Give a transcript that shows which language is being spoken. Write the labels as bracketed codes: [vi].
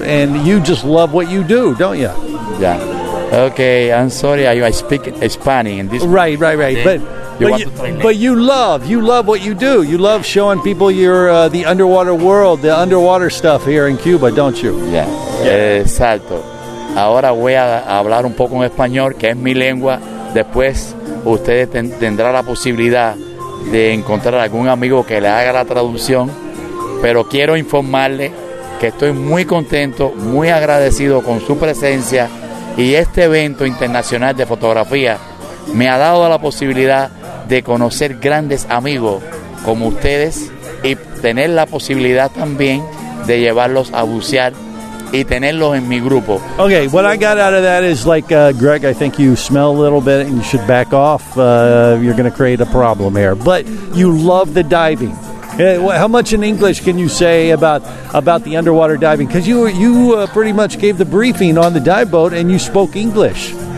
[en] And you just love what you do, don't you? Yeah. Okay, I'm sorry, I speak Spanish in this. Right, right, right. But you love what you do. You love showing people your the underwater world, the underwater stuff here in Cuba, don't you? Yeah. Yeah. Exacto. [es] Ahora voy a hablar un poco en español, que es mi lengua. Después ustedes tendrán la posibilidad de encontrar algún amigo que le haga la traducción. Pero quiero informarle que estoy muy contento, muy agradecido con su presencia. Y este evento internacional de fotografía me ha dado la posibilidad de conocer grandes amigos como ustedes y tener la posibilidad también de llevarlos a bucear y tenerlos en mi grupo. [en] Okay, what I got out of that is like, Greg, I think you smell a little bit and you should back off. You're going to create a problem here. But you love the diving. How much in English can you say about the underwater diving? Because you pretty much gave the briefing on the dive boat and you spoke English.